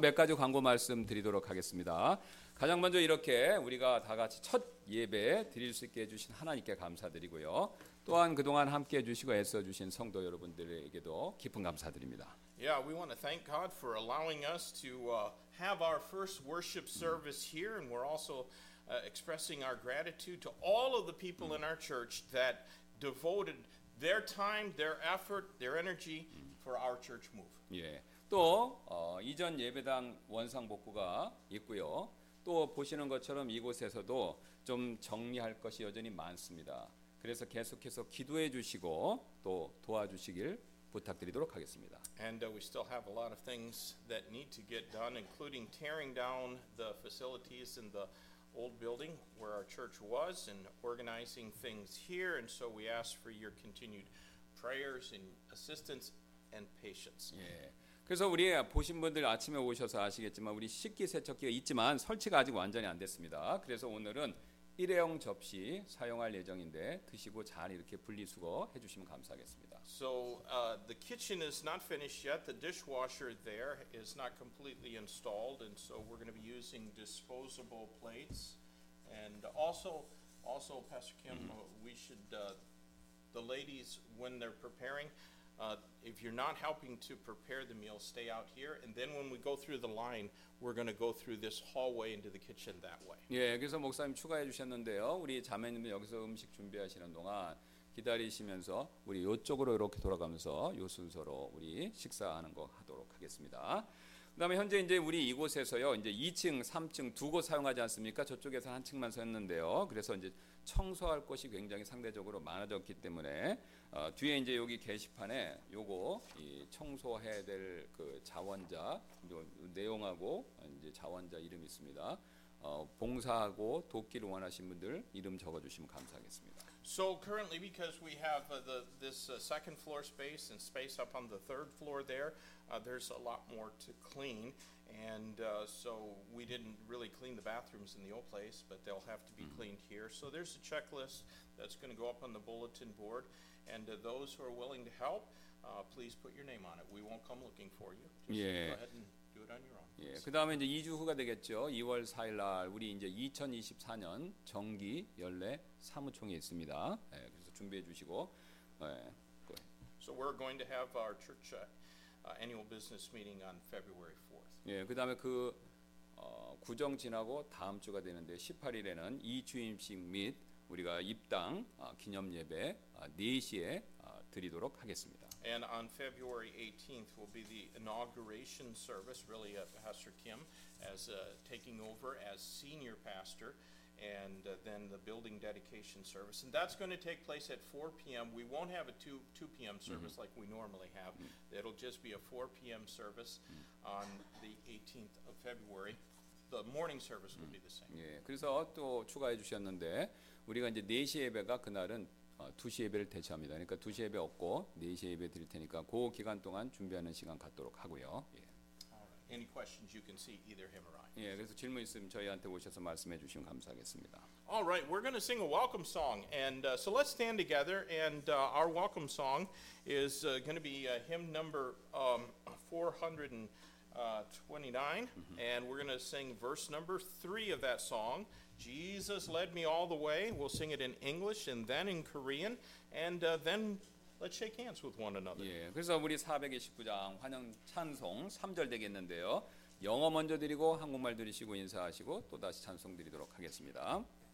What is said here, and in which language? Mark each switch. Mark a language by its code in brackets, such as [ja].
[ko] 몇 가지 광고 말씀 드리도록 하겠습니다. 가장 먼저 이렇게 우리가 다 같이 첫 예배 드릴 수 있게 해주신 하나님께 감사드리고요. 또한 그동안 함께 해주시고 애써주신 성도 여러분들에게도 깊은 감사드립니다. [en] Yeah, we want to thank God for allowing us to have our first worship service here, and we're also expressing our gratitude to all of the people in our church that devoted their time, their effort, their energy for our church move. [ko] 예. 또 이전 예배당 원상 복구가 있고요. 또 보시는 것처럼 이곳에서도 좀 정리할 것이 여전히 많습니다. 그래서 계속해서 기도해 주시고 또 도와주시길 부탁드리도록 하겠습니다. [en] And we still have a lot of things that need to get done, including tearing down the facilities in the old building where our church was and organizing things here. And so we ask for your continued prayers and assistance and patience. [ko] 예. 그래서 우리 보신 분들 아침에 오셔서 아시겠지만 우리 식기 세척기가 있지만 설치가 아직 완전히 안 됐습니다. 그래서 오늘은 일회용 접시 사용할 예정인데 드시고 잘 이렇게 분리수거 해주시면 감사하겠습니다. [en] So the kitchen is not finished yet. The dishwasher there is not completely installed, and so we're going to be using disposable plates. And also, Pastor Kim, we should the ladies when they're preparing, if you're not helping to prepare the meal, stay out here. And then when we go through the line, we're going to go through this hallway into the kitchen that way. [ko] 예, 그래서 목사님 추가해 주셨는데요. 우리 자매님들 여기서 음식 준비하시는 동안 기다리시면서 우리 이쪽으로 이렇게 돌아가면서 이 순서로 우리 식사하는 거 하도록 하겠습니다. 그다음에 현재 이제 우리 이곳에서요, 이제 2층, 3층 두 곳 사용하지 않습니까? 저쪽에서 한 층만 썼는데요. 그래서 이제 청소할 곳이 굉장히 상대적으로 많아졌기 때문에 뒤에 이제 여기 게시판에 요거 이 청소해야 될 그 자원자 내용하고 이제 자원자 이름 있습니다. 봉사하고 돕기를 원하신 분들 이름 적어주시면 감사하겠습니다. [en] So currently, because we have this second floor space and space up on the third floor there, there's a lot more to clean. And so we didn't really clean the bathrooms in the old place, but they'll have to be cleaned here. So there's a checklist that's going to go up on the bulletin board. And those who are willing to help, please put your name on it. We won't come looking for you. Just [ko] 예. [en] go ahead and do it on your own. [ko] 예. 그다음에 이제 2주 후가 되겠죠. 2월 4일 날 우리 이제 2024년 정기 연례 사무총회 있습니다. 예. 그래서 준비해 주시고. 예. [en] So we're going to have our church annual business meeting on February 4th. [ko] 예. 그다음에 그 구정 지나고 다음 주가 되는데 18일에는 이주임식 및 우리가 입당 기념 예배 4시에 드리도록 하겠습니다. [en] And on February 18th will be the inauguration service, really Pastor Kim as taking over as senior pastor, and then the building dedication service. And that's going to take place at 4 p.m. We won't have a 2 p.m. service mm-hmm. like we normally have. Mm-hmm. It'll just be a 4 p.m. service mm-hmm. on the 18th of February. The morning service will mm-hmm. be the same. [ko] 예, 그래서 또 추가해 주셨는데 우리가 이제 4시 예배가 그날은 2시 예배를 대체합니다. 그러니까 2시 예배 없고 4시 예배 드릴 테니까 그 기간 동안 준비하는 시간 갖도록 하고요. 예. [en] Any questions you can see either him or I. [ko] 예, 그래서 질문 있으면 저희한테 오셔서 말씀해 주시면 감사하겠습니다. [en] All right, we're going to sing a welcome song. And so let's stand together. And our welcome song is going to be hymn number 429. Mm-hmm. And we're going to sing verse number 3 of that song. Jesus led me all the way. We'll sing it in English and then in Korean. And then let's shake hands with one another. [ko] 예, 그래서 우리 429장 환영 찬송 3절 되겠는데요. 영어 먼저 드리고 한국말 드리시고 인사하시고 또다시 찬송 드리도록 하겠습니다.